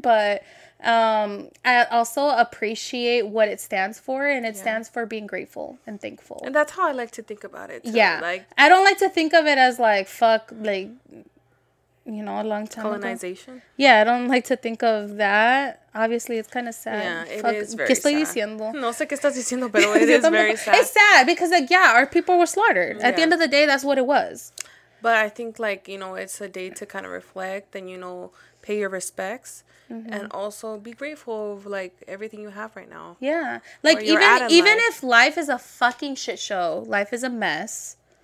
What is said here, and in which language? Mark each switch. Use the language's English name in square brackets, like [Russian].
[English] But I also appreciate what it stands for, and it stands for being grateful and thankful. And that's how I like to think about it too. Yeah, like, I don't like to think of it as, like, fuck, like, you know, a long time colonization ago. Yeah, I don't like to think of that. Obviously, it's kind of sad. Yeah, it fuck, is very [Spanish] ¿qué estoy sad diciendo? No sé qué estás diciendo, pero [English] it is very sad. It's sad because, like, yeah, our people were slaughtered. At the end of the day, that's what it was. But I think, like, you know, it's a day to kind of reflect, and, you know, pay your respects, and also be grateful of, like, everything you have right now. Yeah. Like, even if life is a fucking shit show, life is a mess.